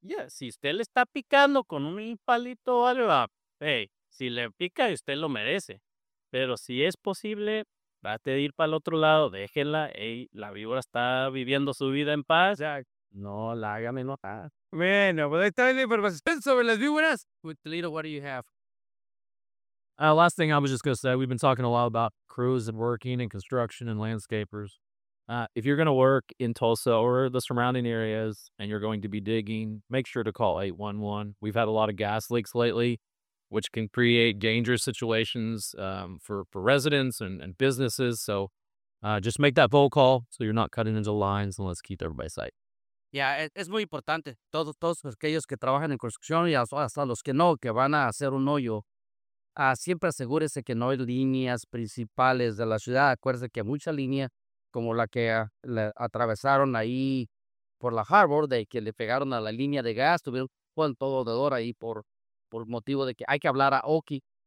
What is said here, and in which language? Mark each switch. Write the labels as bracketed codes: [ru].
[es] Yeah. Si usted le está picando con un palito o algo, hey, si le pica, usted lo merece. Pero si es posible, trate de ir para el otro lado. Déjenla. Hey, la víbora está viviendo su vida en paz. No la haga enojar. Bueno, pues ahí está la información sobre las víboras. [en] With Toledo, what do you have? Last thing I was just going to say, we've been talking a lot about crews and working and construction and landscapers. If you're going to work in Tulsa or the surrounding areas and you're going to be digging, make sure to call 811. We've had a lot of gas leaks lately. which can create dangerous situations for residents and businesses. So just make that phone call so you're not cutting into lines, and let's keep everybody safe. [es] Yeah, es muy importante. Todos aquellos que trabajan en construcción y hasta los que no, que van a hacer un hoyo, siempre asegúrese que no hay líneas principales de la ciudad. Acuérdese que mucha línea, como la que atravesaron ahí por la Harbor, de que le pegaron a la línea de gas, tuvieron todo alrededor ahí por motivo de que hay que hablar a Oki.